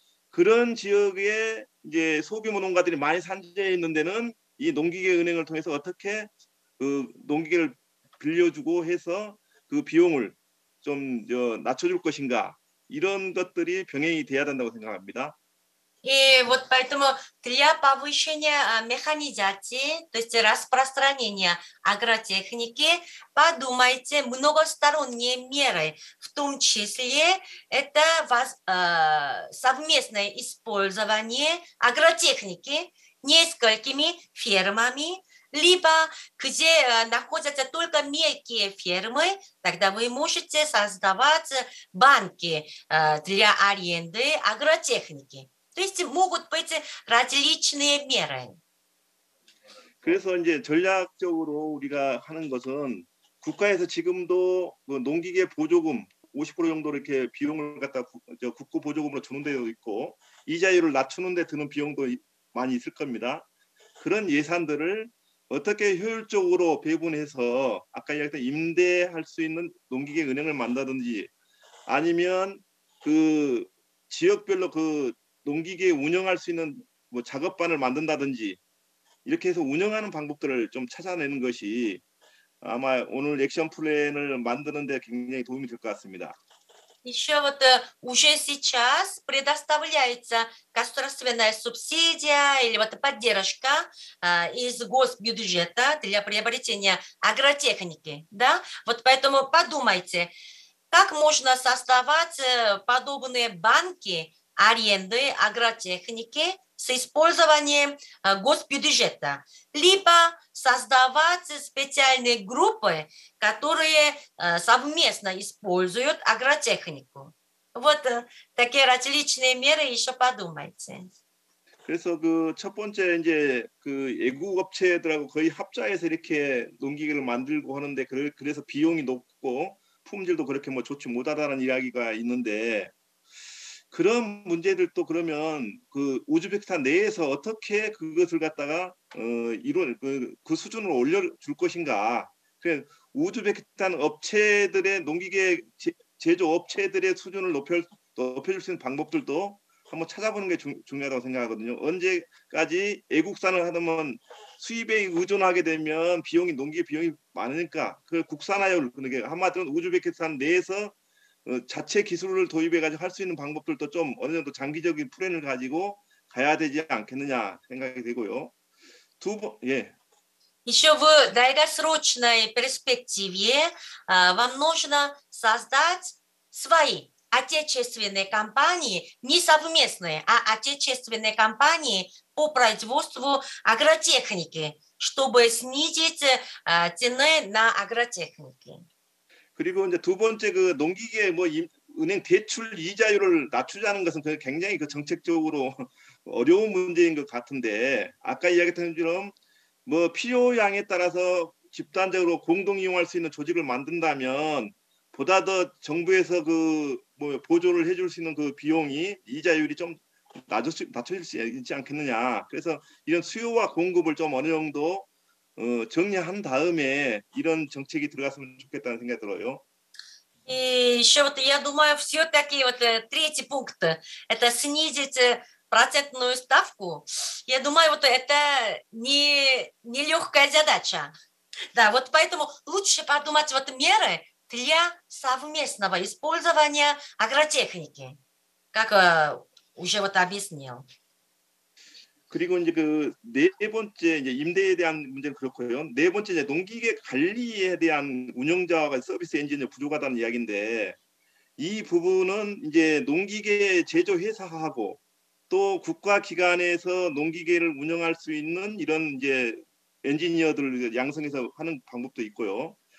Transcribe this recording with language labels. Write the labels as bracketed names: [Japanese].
[Korean] 그런 지역에 이제 소규모 농가들이 많이 산재해 있는 데는 이 농기계 은행을 통해서 어떻게 그 농기계를 빌려주고 해서 그 비용을 좀 낮춰줄 것인가 이런 것들이 병행이 돼야 된다고 생각합니다. [Russian] 예, вот поэтому для повышения механизации, то есть распространения агротехники, подумайте многосторонние меры, в том числе это совместное использование агротехники несколькими фермами. Либо где находятся только мелкие фермы, тогда вы можете создавать банки для аренды агротехники. То есть могут быть различные меры. [Korean] 그래서 이제 전략적으로 우리가 하는 것은 국가에서 지금도 농기계 보조금 50% 정도 이렇게 비용을 갖다 국고 보조금으로 주는 데도 있고 이자율을 낮추는 데 드는 비용도 많이 있을 겁니다. 그런 예산들을 어떻게 효율적으로 배분해서 아까 이야기했던 임대할 수 있는 농기계 은행을 만든다든지 아니면 그 지역별로 그 농기계 운영할 수 있는 뭐 작업반을 만든다든지 이렇게 해서 운영하는 방법들을 좀 찾아내는 것이 아마 오늘 액션 플랜을 만드는 데 굉장히 도움이 될 것 같습니다. [Russian] Еще вот уже сейчас предоставляется государственная субсидия или вот поддержка из госбюджета для приобретения агротехники, да? Вот поэтому подумайте, как можно создавать подобные банки аренды агротехники с использованием госбюджета, либо создавать специальные группы, которые совместно используют агротехнику. Вот такие различные меры еще подумайте. [Korean] 그래서 그 첫 번째 이제 그 예국업체들하고 거의 합자해서 이렇게 농기계를 만들고 하는데 그래서 비용이 높고 품질도 그렇게 뭐 좋지 못하다는 이야기가 있는데 그런 문제들도 그러면 그 우즈베키스탄 내에서 어떻게 그것을 갖다가 그 수준으로 올려줄 것인가? 우즈베키스탄 업체들의 농기계 제조 업체들의 수준을 높여줄 수 있는 방법들도 한번 찾아보는 게 중요하다고 생각하거든요. 언제까지 애국산을 하면 수입에 의존하게 되면 비용이 농기계 비용이 많으니까 그 국산화율 그런 게 한마디로 우즈베키스탄 내에서 자체 기술을 도입해가지고 할 수 있는 방법들도 좀 어느 정도 장기적인 플랜을 가지고 가야 되지 않겠느냐 생각이 되고요. 두 번, 예. [Russian] Еще в долгосрочной перспективе вам нужно создать свои отечественные компании, не совместные, а отечественные компании по производству агротехники, чтобы снизить цены на агротехнику. [Korean] 그리고 이제 두 번째 그 농기계 뭐 은행 대출 이자율을 낮추자는 것은 굉장히 그 정책적으로 어려운 문제인 것 같은데 아까 이야기했던 것처럼 뭐 필요량에 따라서 집단적으로 공동 이용할 수 있는 조직을 만든다면 보다 더 정부에서 그 뭐 보조를 해줄 수 있는 그 비용이 이자율이 좀 낮춰질 수 있지 않겠느냐. 그래서 이런 수요와 공급을 좀 어느 정도 정리한 다음에 이런 정책이 들어갔으면 좋겠다는 생각이 들어요. [Russian] И еще вот я думаю, все-таки вот третий пункт – это снизить процентную ставку. Я думаю, вот это не легкая задача. Да, вот поэтому лучше подумать вот меры для совместного использования агротехники, как уже вот объяснил. [Korean] 그리고 이제 그 네 번째 이제 임대에 대한 문제는 그렇고요. 네 번째 이제 농기계 관리에 대한 운영자와 서비스 엔진이 부족하다는 이야기인데 이 부분은 이제 농기계 제조 회사하고 또 국가 기관에서 농기계를 운영할 수 있는 이런 이제 엔지니어들을 양성해서 하는 방법도 있고요.